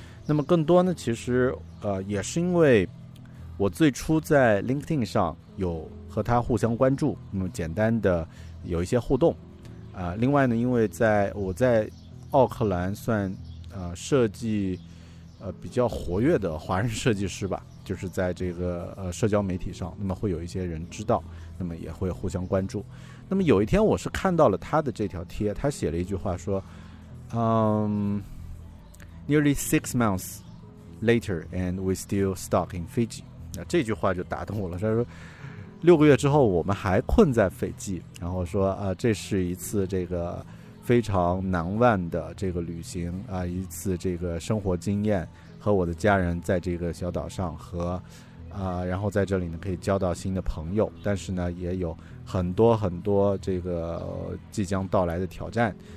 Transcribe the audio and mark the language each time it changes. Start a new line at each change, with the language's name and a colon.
Chinese: 那么更多呢，其实也是因为我最初在 LinkedIn 上有和他互相关注，那么简单的有一些互动另外呢，因为我在奥克兰算设计比较活跃的华人设计师吧，就是在这个社交媒体上，那么会有一些人知道，那么也会互相关注。那么有一天我是看到了他的这条贴，他写了一句话说，
English: Nearly 6 months later, and we still stuck in Fiji.
Chinese: 这句话就打动我了。他说，六个月之后，我们还困在斐济。然后说，这是一次这个非常难忘的这个旅行啊，一次这个生活经验，和我的家人在这个小岛上和然后在这里呢可以交到新的朋友，但是呢也有很多很多这个即将到来的挑战。